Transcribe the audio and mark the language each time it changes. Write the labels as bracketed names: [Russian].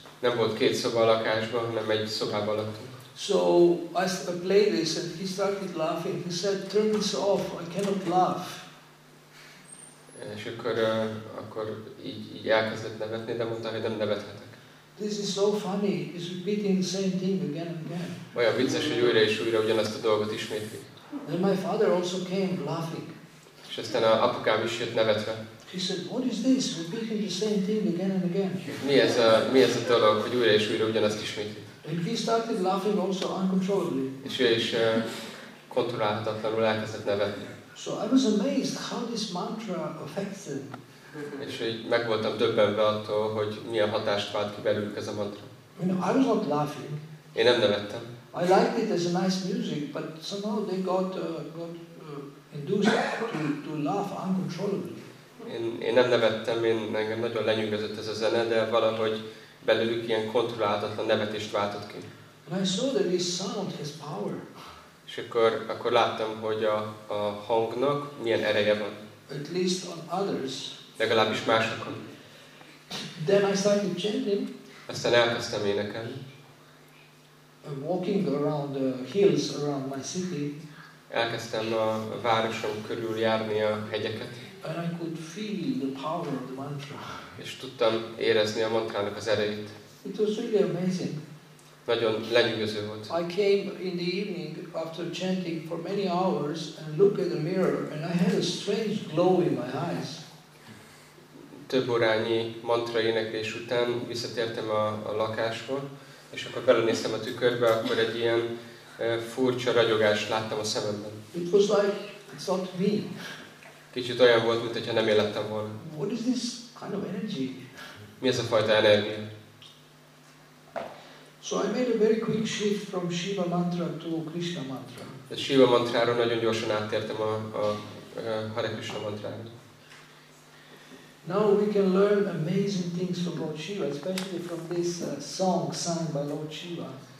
[Hungarian] Nem volt két szoba a lakásban, hanem egy szobában laktunk. [English] So I played this and he started laughing. He said, "Turn this off. I cannot laugh." [Hungarian] És akkor így elkezdett nevetni, de mondta, hogy nem nevethetek. [English] This is so funny. He's repeating the same thing again and again. [Hungarian] Olyan vicces, hogy újra és újra ugyanazt a dolgot ismétlik. [English] Then my father also came laughing. [Hungarian] És aztán a apukám is jött nevetve. [English] He said, "What is this? Repeating the same thing again and again." [Hungarian] Mi ez a dolog, hogy újra és újra ugyanazt ismétlik? [English] And he started laughing also uncontrollably. [Hungarian] És ő is kontrollálhatatlanul elkezdett nevetni. [English] So I was amazed how this mantra affects it. [Hungarian] És hogy meg voltam döbbenve attól, hogy milyen hatást vált ki belőlük ez a mantra. [English] You know, I was not laughing. [Hungarian] Én nem nevettem. [English] I liked it as a nice music, but somehow they got induced to laugh uncontrollably. [Hungarian] Én nem nevettem, engem nagyon lenyűgözött ez a zene, de valahogy belőlük ilyen kontrollálatlan nevetést váltott ki. [English] And I saw that this sound has power. [Hungarian] És akkor láttam, hogy a hangnak milyen ereje van. [English] At least on others. [Hungarian] Legalábbis másokon. [English] Then I started chanting. [Hungarian] Aztán elkezdtem énekelni. [English] I'm walking around the hills around my city. [Hungarian] Elkezdtem a városom körül járni a hegyeket. [English] And I could feel the power of the mantra. [Hungarian] És tudtam érezni a mantrának az erejét. [English] It was really amazing. [Hungarian] Nagyon lenyűgöző volt. [English] I came in the evening after chanting for many hours and looked at the mirror and I had a strange glow in my eyes. [Hungarian] Több órányi mantra éneklés után visszatértem a lakásba, és akkor belenéztem a tükörbe, akkor egy ilyen furcsa ragyogást láttam a szememben. [English] It was like, it's not me. [Hungarian] Kicsit olyan volt, mintha nem élettem volna. [English] What is this kind of energy? [Hungarian] Mi ez a fajta energia? [English] So I made a very quick shift from Shiva mantra to Krishna mantra. [Hungarian] A Shiva mantráról nagyon gyorsan áttértem a Hare Krishna mantrára. [English] Now we can learn amazing things from Lord Shiva, especially from this song sung by Lord Shiva.